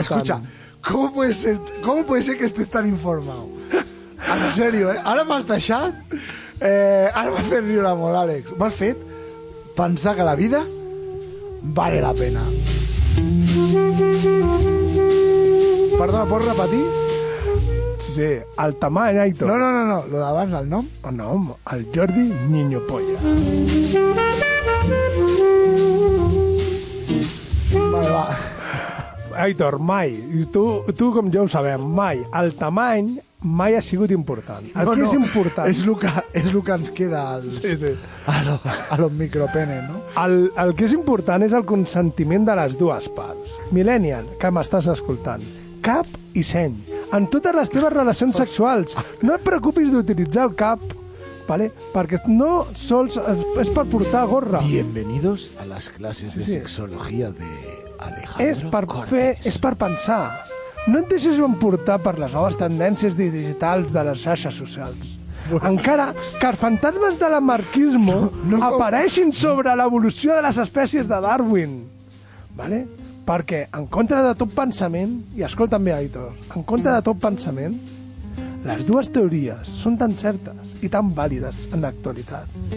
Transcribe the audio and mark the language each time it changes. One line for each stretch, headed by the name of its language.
Spanish: Escucha, ¿cómo puede ser que estés tan informado? En serio, ¿eh?
Catalan: Ara m'has deixat... ara m'has fet riure molt, Àlex. M'has fet pensar que la vida
Spanish: vale la pena.
Catalan: Perdona, pots repetir? Sí, el tamany, Aitor. No, lo d'abans, el nom? El nom, el Jordi Niño Polla. Vale, va. Aitor, mai, tu com jo ho sabem, mai, el tamany mai ha sigut important. El que és important... És el que ens queda
Spanish: a los micropenes,
Catalan: no? El que és important és el consentiment de les dues parts. Millennial, que m'estàs escoltant, cap i seny, en totes les teves relacions sexuals. No et preocupis d'utilitzar el cap, ¿vale? Perquè no sols és per portar gorra.
Spanish: Bienvenidos a las clases de sexología de Alejandro Cortés.
Catalan: És per pensar... No et deixes emportar per les noves tendències digitals de les xarxes socials. Bueno. Encara que els fantasmes de l'anarquisme apareixin sobre l'evolució de les espècies de Darwin. Vale? Perquè, en contra de tot pensament, i escolta'm bé, Aitor, en contra de tot pensament, les dues teories són tan certes i tan vàlides en l'actualitat.